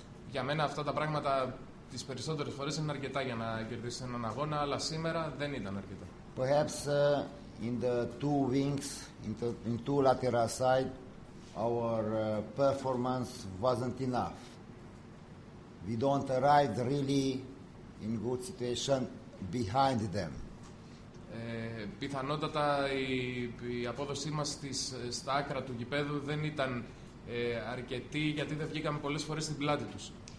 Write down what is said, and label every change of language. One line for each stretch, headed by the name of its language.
Greek: Για μένα αυτά τα πράγματα τις περισσότερες φορές είναι αρκετά για να κερδίσεις έναν αγώνα, αλλά σήμερα δεν ήταν αρκετά.
English: Perhaps in the two wings, in two lateral side, our performance wasn't enough. We don't arrive really in good situation behind them.
Greek: Πιθανότατα η απόδοσή μας στα άκρα του γηπέδου δεν ήταν αρκετή γιατί δεν βγήκαμε πολλές φορές στην πλάτη τους.